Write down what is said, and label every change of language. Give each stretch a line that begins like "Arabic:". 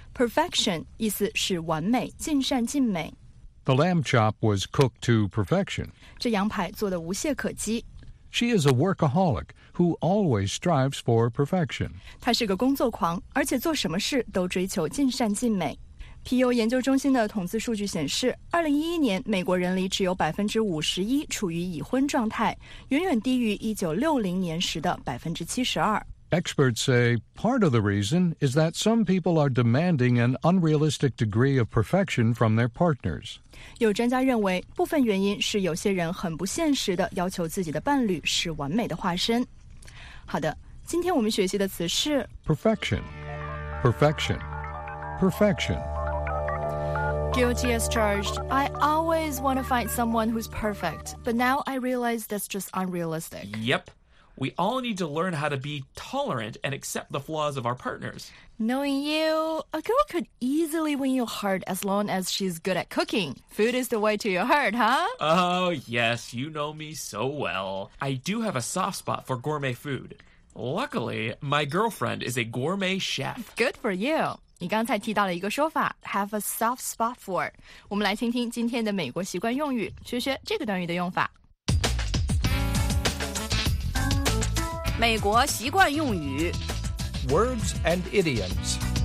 Chinese: Perfection 意思是完美，尽善尽美。
English: The lamb chop was cooked to perfection.
Chinese: 这羊排做得无懈可击。
English: She is a workaholic who always strives for perfection.
Chinese: 她是个工作狂，而且做什么事都追求尽善尽美。 PU 研究中心的统计数据显示，2011年美国人里只有 51% 处于已婚状态，远远低于1960年时的 72%。
English: Experts say part of the reason is that some people are demanding an unrealistic degree of perfection from their partners.
Chinese: 有专家认为，部分原因是有些人很不现实地要求自己的伴侣是完美的化身。好的，今天我们学习的词是
English: Perfection. Perfection. Perfection. Guilty as charged. I always want to find someone who's perfect, but now I realize that's just unrealistic. Yep. We all need to learn how to be tolerant and accept the flaws of our partners. Knowing you, a girl could easily win your heart as long as she's good at cooking. Food is the way to your heart, huh? Oh, yes. You know me so well. I do have a soft spot for gourmet food. Luckily, my girlfriend is a gourmet chef. Good for you.
Chinese: 你刚才提到了一个说法
English: have a soft spot for.
Chinese: 我们来听听今天的美国习惯用语，学学这个短语的用法。美国习惯用语
English: Words and idioms.